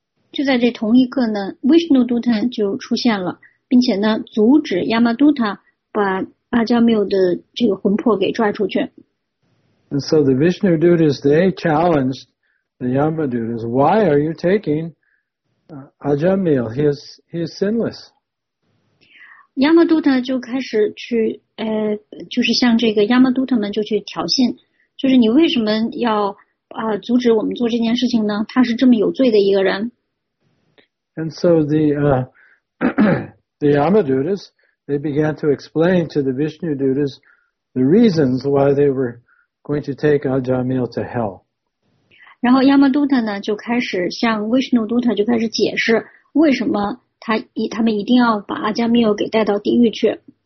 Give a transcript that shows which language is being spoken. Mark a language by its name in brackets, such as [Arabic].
[Chinese] 就在这同一刻呢 ,Vishnu Duta 就出现了，并且呢阻止 Yama Duta 把 Ajamil 的这个魂魄给拽出去。 [English] And so the Vishnu Dutas, they challenged the Yama Dutas, why are you taking Ajamil? He is sinless. [Chinese] 亚马杜特就开始去就是向这个亚马杜特们就去挑衅，就是你为什么要阻止我们做这件事情呢？他是这么有罪的一个人。 [English] And so the Yamadutas, they began to explain to the Vishnu Dutas the reasons why they were going to take Ajamil to hell. [Chinese] 然后亚马杜特呢就开始向 Vishnu Duta 就开始解释为什么他们一定要把阿加米尔给带到地狱去。